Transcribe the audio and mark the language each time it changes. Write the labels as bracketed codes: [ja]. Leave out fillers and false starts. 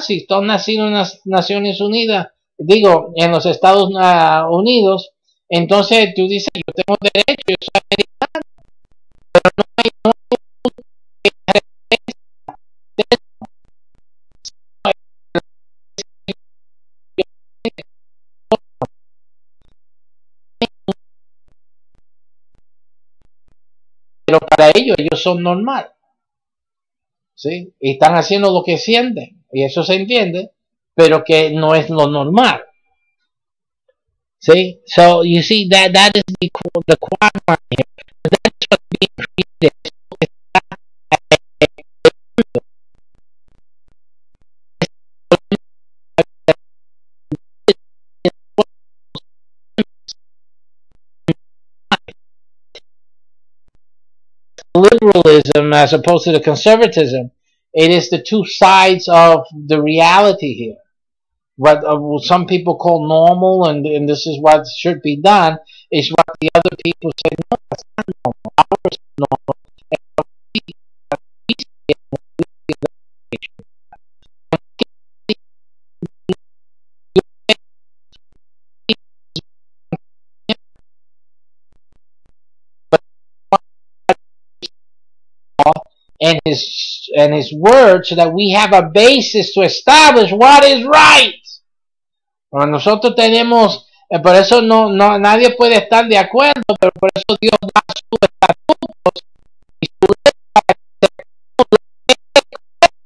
[es] Si tú has nacido en las Naciones Unidas, digo, en los Estados Unidos, entonces tú dices, yo tengo derecho, yo soy americano, pero no hay pero para ellos son normal, ¿sí? Y están haciendo lo que sienten, y eso se entiende, pero que no es lo normal, ¿sí? [en] So, you see, that is the quagmire here. But that's what being treated is. Liberalism as opposed to the conservatism, it is the two sides of the reality here. What some people call normal and this is what should be done is what the other people say, no, that's not normal. Ours is normal. And his words, so that we have a basis to establish what is right. [es] Bueno, nosotros tenemos, por eso no nadie puede estar de acuerdo, pero por eso Dios da sus estatutos y su ley para que se cumpla.